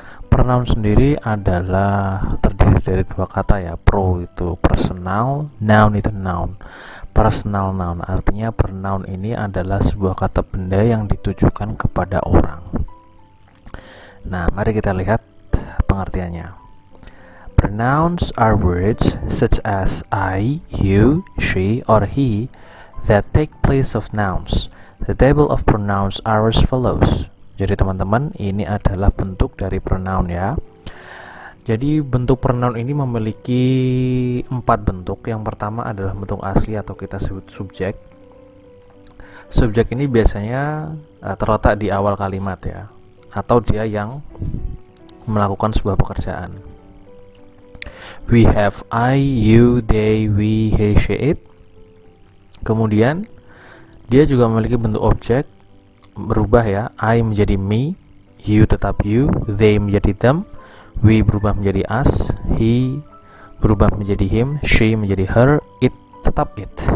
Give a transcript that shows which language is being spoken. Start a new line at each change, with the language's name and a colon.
Indonesian: Pronoun sendiri adalah terdiri dari dua kata ya. Pro itu personal, noun itu noun. Personal noun artinya pronoun ini adalah sebuah kata benda yang ditujukan kepada orang. Nah, mari kita lihat pengertiannya.
English: Pronouns are words such as I, you, she, or he that take place of nouns. The table of pronouns are as follows.
Indonesian: Jadi teman-teman, ini adalah bentuk dari pronoun ya. Jadi bentuk pronoun ini memiliki 4 bentuk. Yang pertama adalah bentuk asli atau kita sebut subjek. Subjek ini biasanya terletak di awal kalimat ya, atau dia yang melakukan sebuah pekerjaan.
English: We have I, you, they, we, he, she, it.
Indonesian: Kemudian dia juga memiliki bentuk objek. Berubah ya, I menjadi me, you tetap you, they menjadi them, we berubah menjadi us, he berubah menjadi him, she menjadi her, it tetap it.